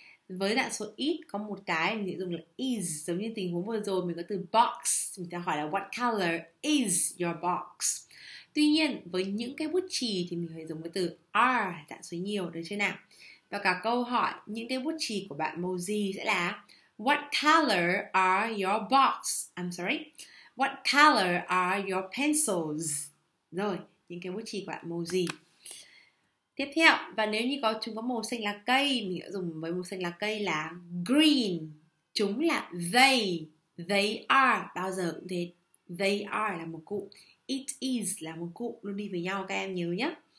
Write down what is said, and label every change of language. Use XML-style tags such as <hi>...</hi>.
<vi>Với dạng số ít có một cái mình sẽ dùng là is. Giống như tình huống vừa rồi mình có từ box, mình sẽ hỏi là</vi> <en>what color is your box?</en> <vi>Tuy nhiên với những cái bút chì thì mình phải dùng cái từ are, dạng số nhiều, được chưa nào? Và cả câu hỏi những cái bút chì của bạn màu gì sẽ là</vi> <en>What color are your box? I'm sorry. What color are your pencils?</en> <vi>Rồi, những cái bút chì của bạn màu gì? Tiếp theo, và nếu như có chúng có màu xanh lá cây, mình sẽ dùng với màu xanh lá cây là green. Chúng là</vi> <en>they are,</en> <vi>bao giờ cũng thế.</vi> <en>They are</en> <vi>là một cụm,</vi> <en>it is</en> <vi>là một cụm, luôn đi với nhau các em nhớ nhé.</vi>